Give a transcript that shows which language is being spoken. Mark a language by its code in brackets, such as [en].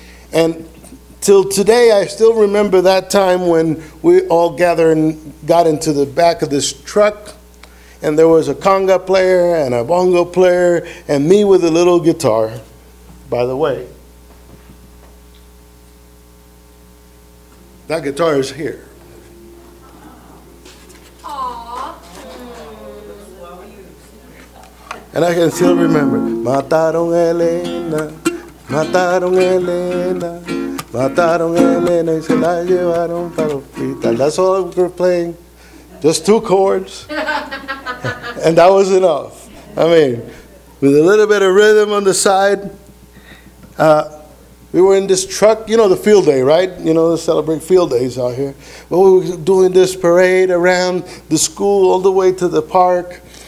[en] And till today, I still remember that time when we all gathered and got into the back of this truck, and there was a conga player and a bongo player and me with a little guitar, by the way. That guitar is here. And I can still remember. [es] Mataron Elena, mataron Elena, mataron Elena, y se la llevaron para el hospital. [en] That's all we were playing. Just two chords. And that was enough. I mean, with a little bit of rhythm on the side. We were in this truck, you know, the field day, right? You know, they celebrate field days out here. Well, we were doing this parade around the school all the way to the park.